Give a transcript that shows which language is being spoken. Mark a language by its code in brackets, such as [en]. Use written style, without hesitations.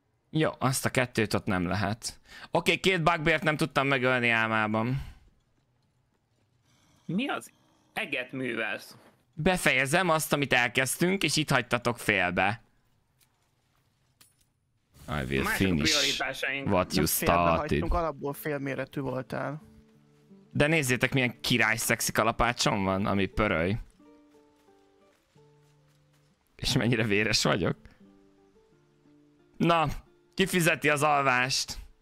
[hu] Jó, azt a kettőt ott nem lehet. Oké, okay, két bugbért nem tudtam megölni álmában. Mi az eget művelsz? Befejezem azt, amit elkezdtünk, és itt hagytatok félbe. [en] I will finish what you started. [hu] Nem alapból félméretű voltál. De nézzétek, milyen király szexi kalapácsom van, ami pöröly. És mennyire véres vagyok. Na, ki fizeti az alvást?